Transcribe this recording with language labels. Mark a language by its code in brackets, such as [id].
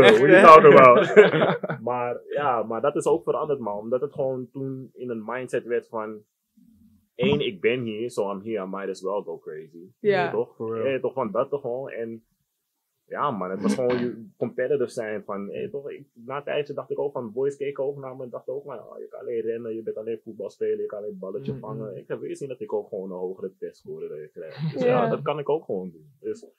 [en] What are you talking about? [nl] maar dat is ook veranderd, man. Omdat het gewoon toen in een mindset werd van... Eén, ik ben hier, [en] so I'm here. I might as well go crazy. [nl] Ja. Toch? Want dat toch gewoon. En... Ja man, het was gewoon competitive zijn van, hey, toch, na een tijdje dacht ik ook van, boys keken over naar me en dacht ook van, oh, je kan alleen rennen, je bent alleen voetbal spelen, je kan alleen balletje vangen. Ik heb weer zien dat ik ook gewoon een hogere testscore dat je krijgt. Dus ja, dat kan ik ook gewoon doen.